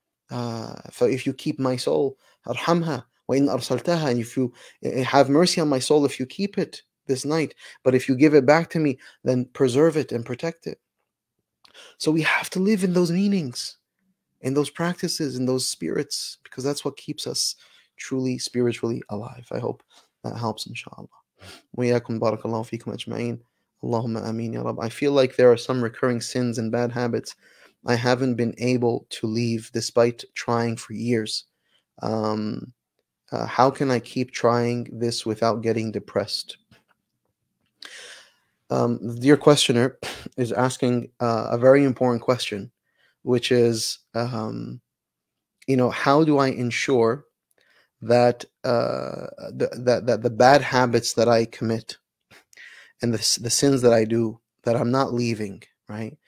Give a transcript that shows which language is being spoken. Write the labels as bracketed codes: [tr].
[en] So if you keep my soul, [ar] arhamha, wa in arsaltaha, [en] and if you have mercy on my soul, if you keep it this night, but if you give it back to me, then preserve it and protect it. So we have to live in those meanings, in those practices, in those spirits, because that's what keeps us truly spiritually alive. I hope that helps, inshallah. [ar] وياكم بارك الله فيكم أجمعين اللهم آمين يا رب. [en] I feel like there are some recurring sins and bad habits I haven't been able to leave despite trying for years. How can I keep trying this without getting depressed? Dear questioner is asking a very important question, which is, how do I ensure that the bad habits that I commit and the sins that I do, that I'm not leaving, right?